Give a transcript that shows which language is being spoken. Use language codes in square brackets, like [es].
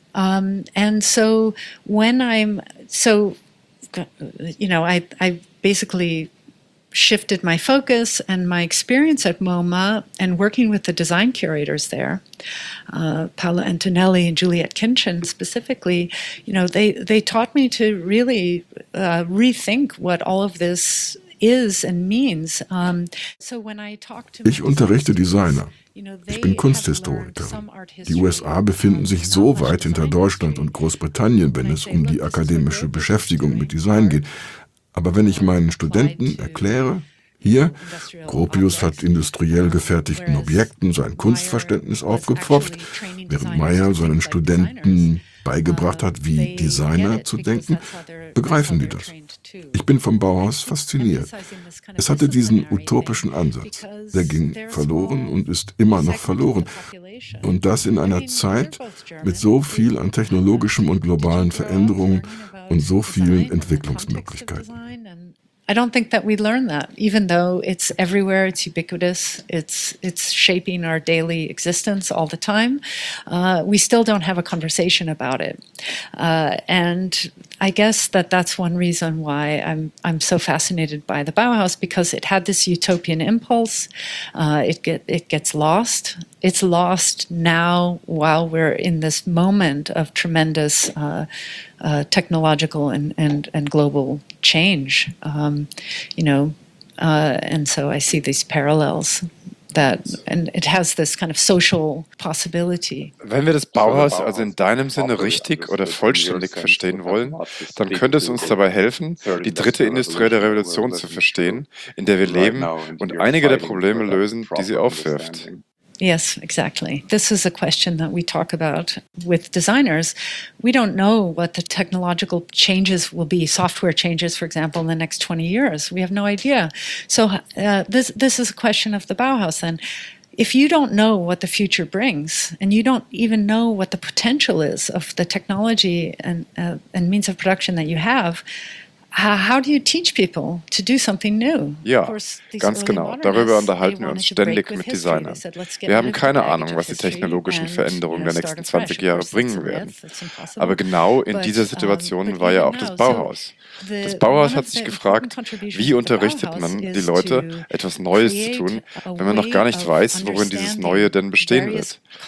[en] And so when I'm, so, you know, I basically shifted my focus and my experience at MoMA and working with the design curators there, Paola Antonelli and Juliet Kinchin specifically, you know, they taught me to really rethink what all of this is and means. So when I talk to [de] Ich unterrichte Designer. Ich bin Kunsthistorikerin. Die USA befinden sich so weit hinter Deutschland und Großbritannien, wenn es um die akademische Beschäftigung mit Design geht. Aber wenn ich meinen Studenten erkläre, hier, Gropius hat industriell gefertigten Objekten sein Kunstverständnis aufgepfropft, während Meyer seinen Studenten beigebracht hat, wie Designer zu denken, begreifen die das. Ich bin vom Bauhaus fasziniert. Es hatte diesen utopischen Ansatz. Der ging verloren und ist immer noch verloren. Und das in einer Zeit mit so viel an technologischem und globalen Veränderungen und so vielen Entwicklungsmöglichkeiten. [en] I don't think that we learn that, even though it's everywhere, it's ubiquitous, it's shaping our daily existence all the time. We still don't have a conversation about it. And I guess that that's one reason why I'm so fascinated by the Bauhaus, because it had this utopian impulse. It gets lost. It's lost now while we're in this moment of tremendous technological and global change, and so I see these parallels that, and it has this kind of social possibility. [de] Wenn wir das Bauhaus also in deinem Sinne richtig oder vollständig verstehen wollen, dann könnte es uns dabei helfen, die dritte industrielle Revolution zu verstehen, in der wir leben, und einige der Probleme lösen, die sie aufwirft. [en] Yes, exactly. This is a question that we talk about with designers. We don't know what the technological changes will be, software changes, for example, in the next 20 years. We have no idea. So this is a question of the Bauhaus then. If you don't know what the future brings, and you don't even know what the potential is of the technology and means of production that you have, how do you teach people to do something new? [de] Ja, ganz genau. Darüber unterhalten wir uns ständig mit Designern. Wir haben keine Ahnung, was die technologischen Veränderungen der nächsten 20 Jahre bringen werden. Aber genau in dieser Situation war ja auch das Bauhaus. Das Bauhaus hat sich gefragt, wie unterrichtet man die Leute, etwas Neues zu tun, wenn man noch gar nicht weiß, worin dieses Neue denn bestehen wird.